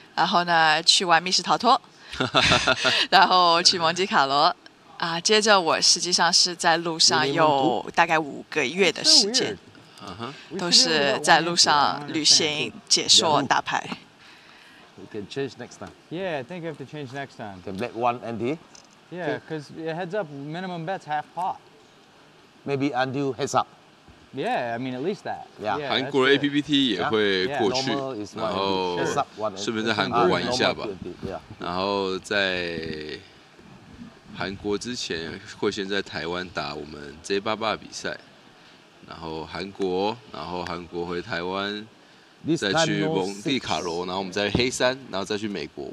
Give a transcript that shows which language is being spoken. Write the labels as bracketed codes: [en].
[zh] 然后呢，去玩密室逃脱，然后去蒙地卡罗。啊，接着我实际上是在路上有大概五个月的时间。都是在路上旅行、解说、打牌。 [en] We can change next time. Yeah, I think we have to change next time. Can bet one ante? Yeah, because heads up, minimum bet's half pot. Maybe undo heads up. Yeah, I mean at least that. Yeah. [zh] 韩国 APPT 也会过去，然后顺便在韩国玩一下吧。然后在韩国之前，会先在台湾打我们 J88 比赛。然后韩国，然后韩国回台湾，再去蒙地卡罗，然后我们再黑山，然后再去美国。